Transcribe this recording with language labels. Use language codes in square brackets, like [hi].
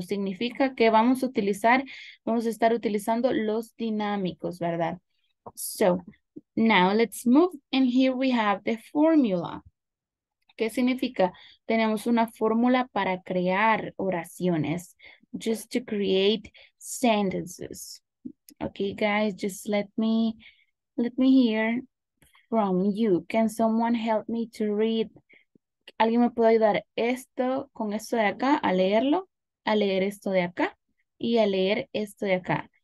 [es] Significa que vamos a estar utilizando los dinámicos, ¿verdad? [en] So, now let's move. And here we have the formula. [es] ¿Qué significa? Tenemos una fórmula para crear oraciones. [en] just to create sentences. Okay, guys, just let me hear from you. Can someone help me to read? [es] ¿Alguien me puede ayudar esto con esto de acá a leerlo, a leer esto de acá y a leer esto de acá?